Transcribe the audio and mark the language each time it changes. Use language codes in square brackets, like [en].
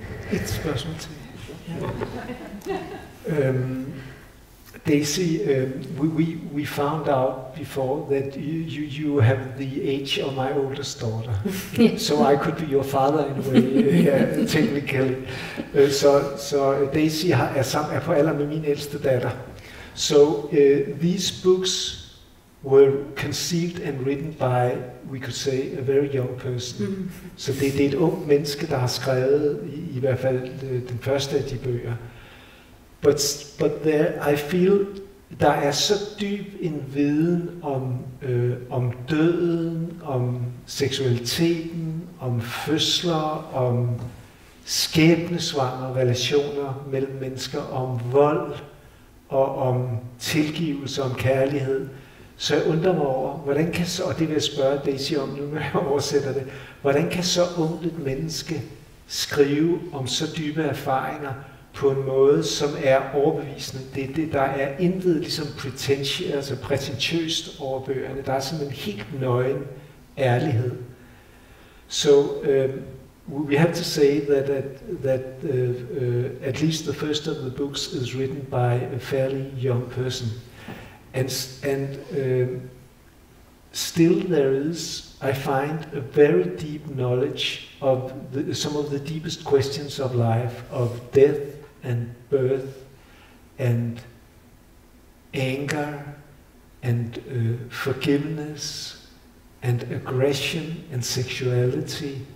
[en] It's personal to you. Daisy, we found out before that you have the age of my oldest daughter, so I could be your father in a way, technically. So [da] Daisy er på alder med min ældste datter. [en] So these books were conceived and written by, we could say, a very young person. Mm-hmm. [da] Så det er et ung menneske, der har skrevet i hvert fald den første af de bøger. [en] But there, I feel, [da] der er så dyb en viden om døden, om seksualiteten, om fødsler, om skæbnesvangre relationer mellem mennesker, om vold og om tilgivelse, om kærlighed. Så jeg undrer mig over, hvordan kan så, og det vil jeg spørge Daisy om nu, når jeg oversætter det, hvordan kan så ungt et menneske skrive om så dybe erfaringer på en måde, som er overbevisende? Det er det, der er intet ligesom prætentiøst over bøgerne. Der er sådan en helt nøgen ærlighed. Så [en] we have to say that at least the first of the books is written by a fairly young person. And still there is, I find, a very deep knowledge of some of the deepest questions of life, of death and birth and anger and forgiveness and aggression and sexuality.